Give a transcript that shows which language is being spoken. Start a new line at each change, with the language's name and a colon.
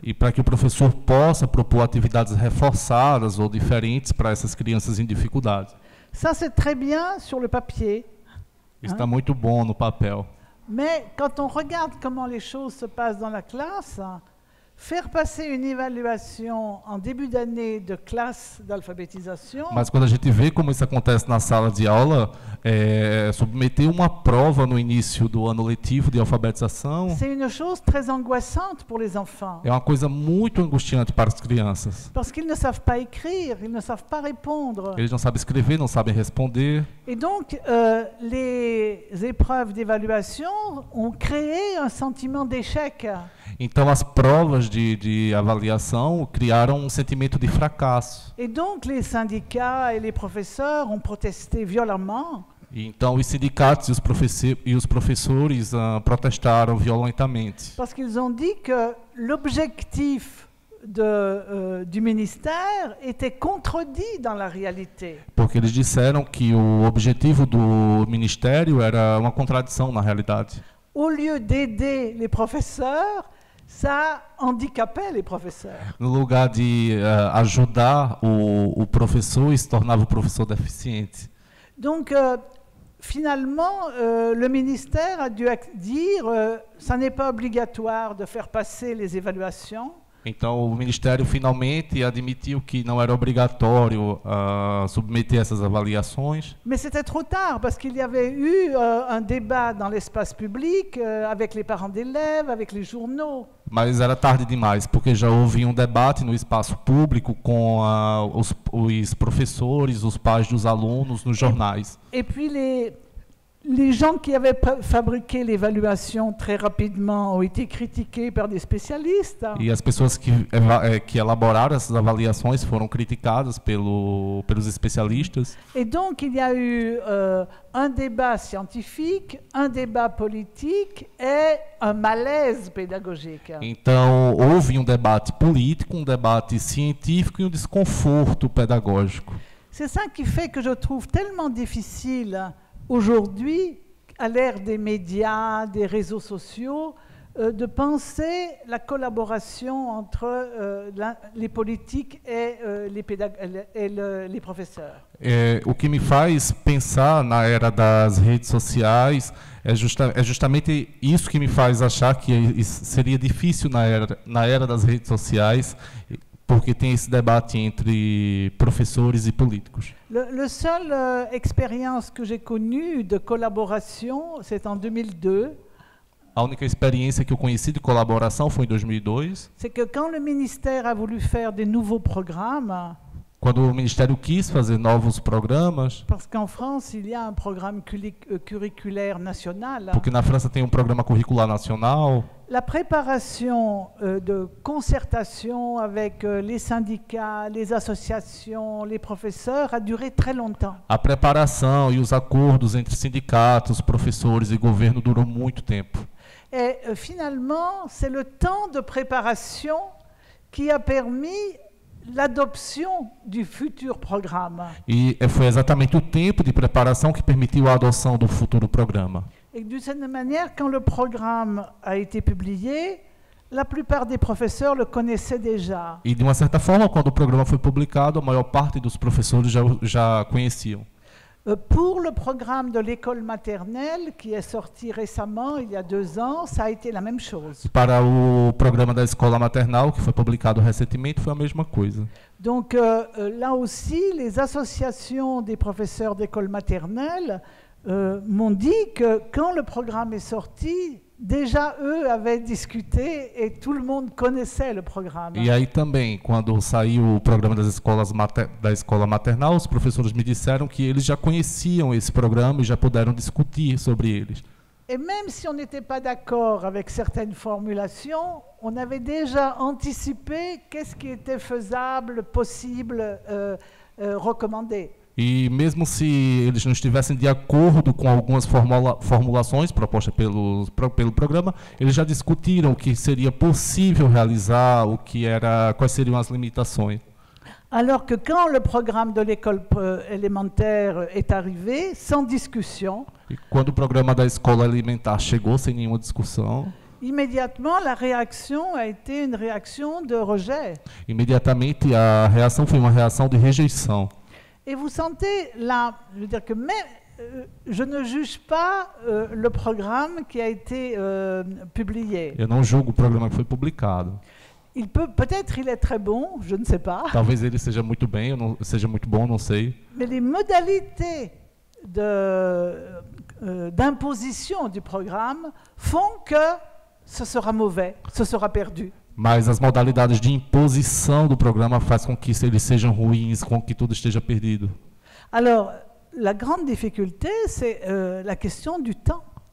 Portuguese: E para que o professor possa propor atividades reforçadas ou diferentes para essas crianças em dificuldade.
French: Ça c'est très bien sur le papier.
Portuguese: Está muito bom no papel.
French: Mais quand on regarde comment les choses se passent dans la classe, faire passer une évaluation en début d'année de classe d'alphabétisation.
Portuguese: Mas quando a gente vê como isso acontece na sala de aula, submeter uma prova no início do ano letivo de alfabetização.
French: C'est une chose très angoissante pour les enfants.
Portuguese: É uma coisa muito angustiante para as crianças.
French: Parce qu'ils ne savent pas écrire, ils ne savent pas répondre.
Portuguese: Eles não sabem escrever, não sabem responder.
French: Et donc les épreuves d'évaluation ont créé un sentiment d'échec.
Portuguese: Então as provas de avaliação criaram um sentimento de fracasso.
French: Et donc les syndicats et les professeurs ont protesté violemment.
Portuguese: E então os sindicatos e os professores protestaram violentamente.
French: Parce qu'ils ont dit que l'objectif du ministère était contredit dans la réalité.
Portuguese: Porque eles disseram que o objetivo do ministério era uma contradição na realidade.
French: Au lieu d'aider les professeurs, ça handicapait les professeurs.
Portuguese: No lugar de ajudar o professor, se tornava o professor deficiente.
French: Donc finalement, le ministère a dû dire ça n'est pas obligatoire de faire passer les évaluations.
Portuguese: Então o ministério finalmente admitiu que não era obrigatório submeter essas avaliações. Mas
French: c'était trop tard parce qu'il y avait eu un débat dans l'espace public avec les parents d'élèves, avec les journaux.
Portuguese: Mas era tarde demais, porque já houve um debate no espaço público com os professores, os pais dos alunos, nos jornais.
French: Et puis les gens qui avaient fabriqué l'évaluation très rapidement ont été critiqués par des spécialistes.
Portuguese: E as pessoas que elaboraram essas avaliações foram criticadas pelos especialistas.
French: Et donc il y a eu un débat scientifique, un débat politique et un malaise pédagogique.
Portuguese: Então houve um debate político, um debate científico e um desconforto pedagógico.
French: C'est ça qui fait que je trouve tellement difficile aujourd'hui, à l'ère des médias, des réseaux sociaux, de penser la collaboration entre les politiques et les professeurs.
Portuguese: O que me faz pensar na era das redes sociais justamente isso que me faz achar que seria difícil na era das redes sociais, porque tem esse debate entre professores e políticos.
French: La seule expérience que j'ai connue de collaboration, c'est en 2002.
Portuguese: A única experiência que eu conheci de colaboração foi em 2002.
French: C'est que quand le ministère a voulu faire des nouveaux programmes.
Portuguese: Quando o ministério quis fazer novos programas.
French: Parce qu'en France, il y a un programme curriculaire national.
Portuguese: Porque na França tem programa curricular nacional.
French: La préparation de concertation avec les syndicats, les associations, les professeurs a duré très longtemps.
Portuguese: A preparação e os acordos entre sindicatos, professores e governo durou muito tempo.
French: Et finalement, c'est le temps de préparation qui a permis l'adoption du futur programme.
Portuguese: E foi exatamente o tempo de preparação que permitiu a adoção do futuro programa.
French: Et d'une certaine manière, quand le programme a été publié, la plupart des professeurs le connaissaient déjà. Et d'une certaine façon, quand le programme
Portuguese: foi publicado, a maior parte dos professores já conheciam.
French: Pour le programme de l'école maternelle, qui est sorti récemment, il y a 2 ans, ça a été la même chose.
Portuguese: Para o programa da escola maternal, que foi publicado recentemente, foi a mesma coisa.
French: Donc là aussi, les associations des professeurs d'école maternelle m'ont dit que quand le programme est sorti, déjà eux avaient discuté et tout le monde connaissait le programme.
Portuguese: E aí também, quando saiu o programa das escolas da escola maternal, os professores me disseram que eles já conheciam esse programa e já puderam discutir sobre eles.
French: Et même si on n'était pas d'accord avec certaines formulations, on avait déjà anticipé qu'est-ce qui était faisable, possible, recommandé.
Portuguese: E mesmo se eles não estivessem de acordo com algumas formulações propostas pelo programa, eles já discutiram o que seria possível realizar, quais seriam as limitações.
French: Alors que quand le programme de l'école élémentaire est arrivé, sans discussion.
Portuguese: E quando o programa da escola elementar chegou sem nenhuma discussão.
French: Immédiatement, la réaction a été une réaction de rejet.
Portuguese: Imediatamente a reação foi uma reação de rejeição.
French: Et vous sentez là, je veux dire que même, je ne juge pas le programme qui a été publié.
Portuguese: Eu não julgo o programa que foi publicado.
French: Il peut, peut-être il est très bon, je ne sais pas.
Portuguese: Talvez ele seja muito bem, ou não, seja muito bom, não sei.
French: Mais les modalités d'imposition du programme font que ce sera mauvais, ce sera perdu.
Portuguese: Mas as modalidades de imposição do programa faz com que eles sejam ruins, com que tudo esteja perdido.
French: Alors, la grande difficulté, c'est la question du temps.